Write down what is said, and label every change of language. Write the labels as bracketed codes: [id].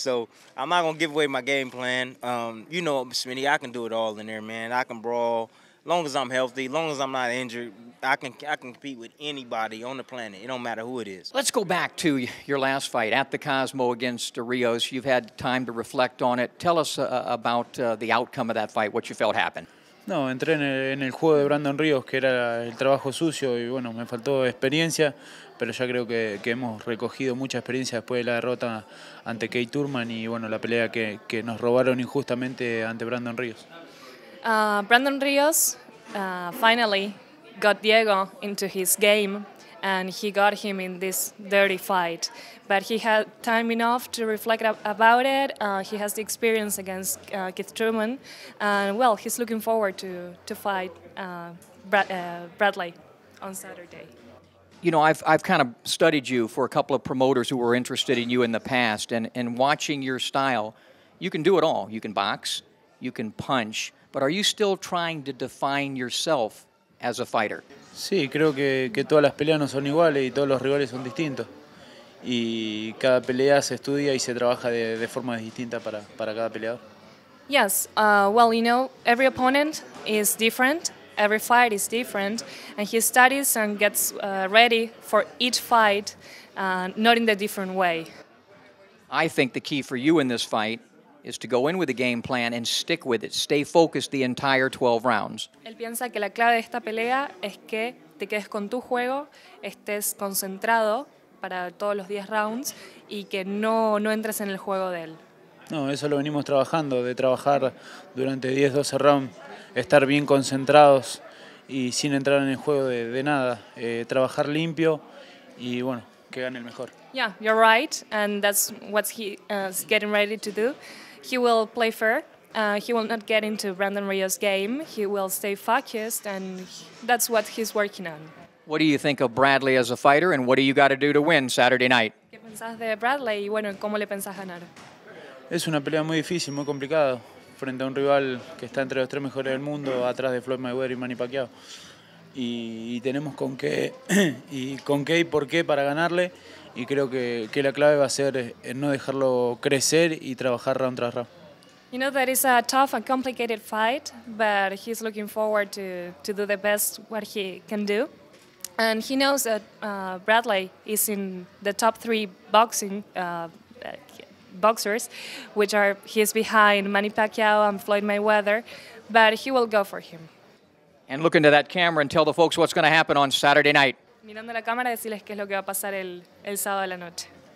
[en] So I'm not gonna give away my game plan. Smitty, I can do it all in there, man. I can brawl long as I'm healthy, long as I'm not injured. I can compete with anybody on the planet. It don't matter who it is. Let's go back to your last fight at the Cosmo against Rios. You've had time to reflect on it. Tell us about the outcome of that fight. What you felt happened? [es] No, entré en el juego de Brandon Rios, que era el trabajo sucio, y bueno, me faltó experiencia. Pero ya creo que hemos recogido mucha experiencia después de la derrota ante Kate Thurman y bueno, la pelea que nos robaron injustamente ante Brandon Rios. [en] Brandon Rios finally got Diego into his game and he got him in this dirty fight. But he had time enough to reflect about it. He has the experience against Keith Thurman. And well, he's looking forward to fight Bradley on Saturday. I've kind of studied you for a couple of promoters who were interested in you in the past, and watching your style, you can do it all. You can box, you can punch, but are you still trying to define yourself as a fighter? Sí, creo que todas las peleas no son iguales y todos los rivales son distintos. Y cada pelea se estudia y se trabaja de forma distinta para cada peleador. Yes, every opponent is different. Every fight is different, and he studies and gets ready for each fight, not in a different way. I think the key for you in this fight is to go in with a game plan and stick with it. Stay focused the entire 12 rounds. [es] Él piensa que la clave de esta pelea es que te quedes con tu juego, estés concentrado para todos los 10 rounds y que no entres en el juego de él. No, eso lo venimos trabajando, de trabajar durante 10, 12 rounds, estar bien concentrados y sin entrar en el juego de nada, trabajar limpio y bueno, que gane el mejor. [en] Yeah, you're right, and that's what he is getting ready to do. He will play fair. He will not get into Brandon Rios' game. He will stay focused, and that's what he's working on. What do you think of Bradley as a fighter, and what do you got to do to win Saturday night? [es] ¿Qué pensás de Bradley y bueno, cómo le pensás ganar? Es una pelea muy difícil, muy complicada, frente a un rival que está entre los tres mejores del mundo, atrás de Floyd Mayweather y Manny Pacquiao. Y tenemos con qué y por qué para ganarle, y creo que la clave va a ser no dejarlo crecer y trabajar round tras round. [en] You know that is a tough and complicated fight, but he's looking forward to do the best what he can do. And he knows that Bradley is in the top three boxers, which are, he's behind Manny Pacquiao and Floyd Mayweather, but he will go for him. And look into that camera and tell the folks what's going to happen on Saturday night. [es] Mirando la cámara, decirles qué es lo que va a pasar el sábado de la noche.